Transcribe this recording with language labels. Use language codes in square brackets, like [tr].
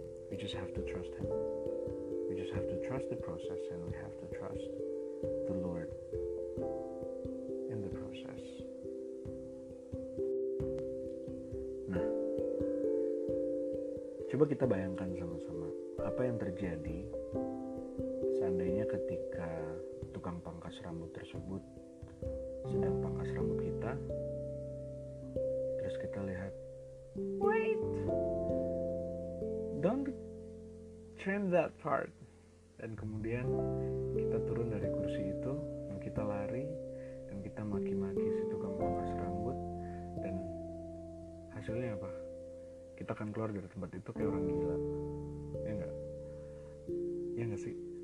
[en] We just have to trust Him. We just have to trust the process, and we have to trust the Lord in the process. [id] Nah, coba kita bayangkan sama-sama apa yang terjadi seandainya ketika tukang pangkas rambut tersebut sedang pangkas rambut kita, terus kita lihat [en] wait, don't trim that part. [id] Dan kemudian kita turun dari kursi itu, dan kita lari, dan kita maki-maki si tukang pangkas rambut. Dan hasilnya apa? Kita akan keluar dari tempat itu kayak orang gila. Ya enggak? Ya enggak sih?